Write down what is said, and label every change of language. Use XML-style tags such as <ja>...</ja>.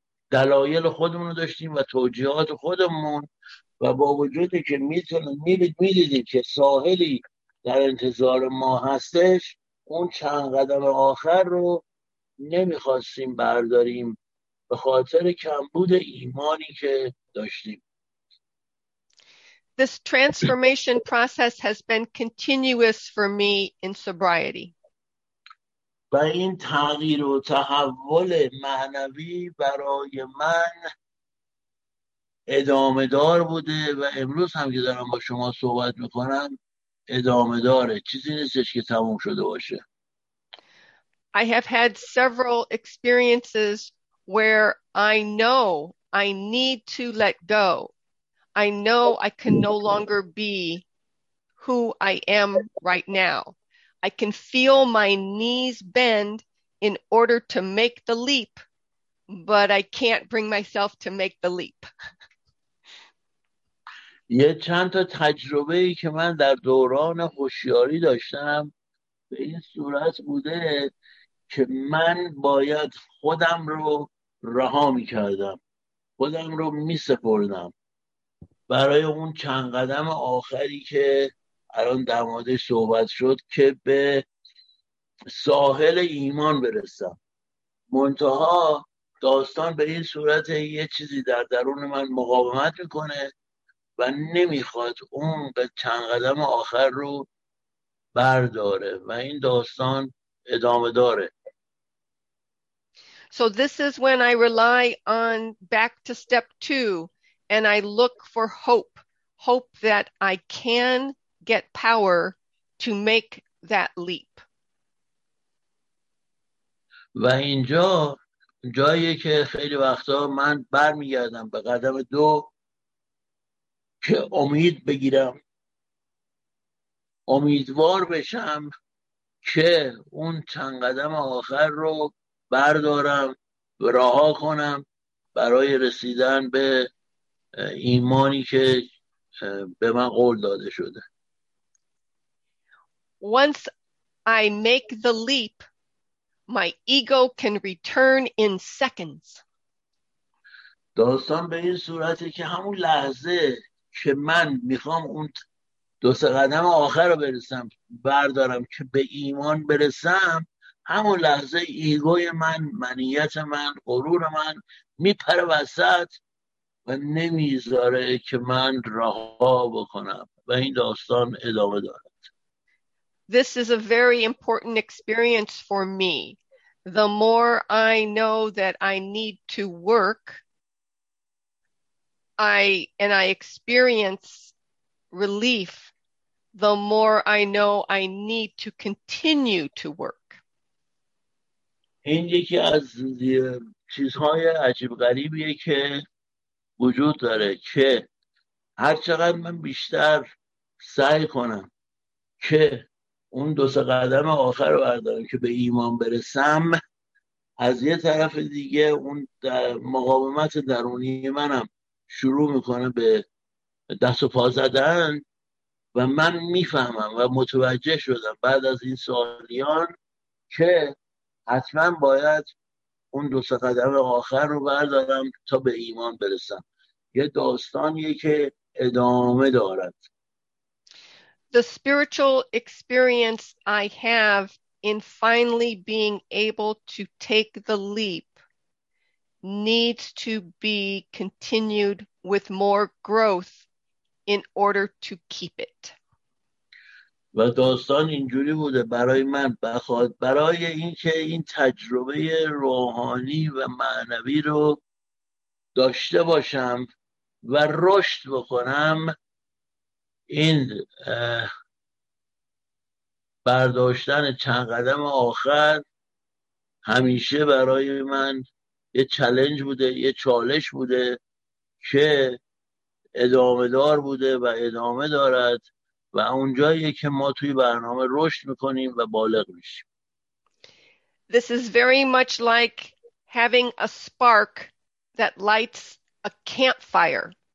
<fa>دلایل خودمون رو داشتیم و توجیهات خودمون، و با وجودی که می‌دیدیم که ساحلی در انتظار ما هستش، اون چند قدم آخر رو نمی‌خواستیم برداریم به خاطر کمبود ایمانی که داشتیم.</fa> <en>This transformation process has been continuous for me in sobriety.</en> <fa>و این تغییر و تحول معنوی برای من ادامه دار بوده و امروز هم که دارم با شما صحبت میکنم ادامه داره، چیزی نیستش که تموم شده باشه.</fa> <en>I have had several experiences where I know I need to let go. I know I can no longer be who I am right now. I can feel my knees bend in order to make the leap, but I can't bring myself to make the leap.</en> <fa>یه چند تا تجربه ای که من در دوران هوشیاری داشتم به این صورت بوده که من باید خودم رو رها می کردم، خودم رو می سپردم برای اون چند قدم آخری که الان در مورد صحبت شد که به ساحل ایمان برسم. منتها داستان به این صورت، یه چیزی در درون من مقاومت میکنه و نمیخواد اون به چند قدم آخر رو برداره و این داستان ادامه داره.</fa> <en>So this is when I rely on back to step two and I look for hope. Hope that I can get power to make that leap.</en> <fa>و اینجا جاییه که خیلی وقتا من برمیگردم به قدم دو که امید بگیرم، امیدوار بشم که اون چند قدم آخر رو بردارم و رها کنم برای رسیدن به ایمانی که به من قول داده شده.</fa> <en>Once I make the leap, my ego can return in seconds.</en> <fa>داستان به این صورته که همون لحظه که من میخوام اون دو سه قدم آخر رو برسم، بردارم که به ایمان برسم، همون لحظه ایگوی من، منیت من، غرور من میپره وسط و نمیذاره که من رها بکنم و این داستان ادامه دارد.</fa> <en>This is a very important experience for me. The more I know that I need to work, I experience relief, the more I know I need to continue to work.</en> <fa>این یکی از چیزهای عجیب غریبیه که وجود داره که هر چقدر من بیشتر سعی کنم که اون دو سه قدم آخر رو بردارم که به ایمان برسم، از یه طرف دیگه اون در مقاومت درونی منم شروع میکنه به دست و پا زدن و من میفهمم و متوجه شدم بعد از این سالیان که حتما باید اون دو سه قدم آخر رو بردارم تا به ایمان برسم. یه داستانیه که ادامه دارد.</fa> <en>The spiritual experience I have in finally being able to take the leap needs to be continued with more growth in order to keep it.</en> <fa>و داستان اینجوری بوده برای من، بخواد برای اینکه این تجربه روحانی و معنوی رو داشته باشم و رشد بکنم، این برداشتن چند قدم آخر همیشه برای من یه چالش بوده، یه چالش بوده که ادامه دار بوده و ادامه دارد و اونجاییه که ما توی برنامه رشد میکنیم و بالغ میشیم.</fa> <en>This is very much like having a spark that lights a campfire.</en>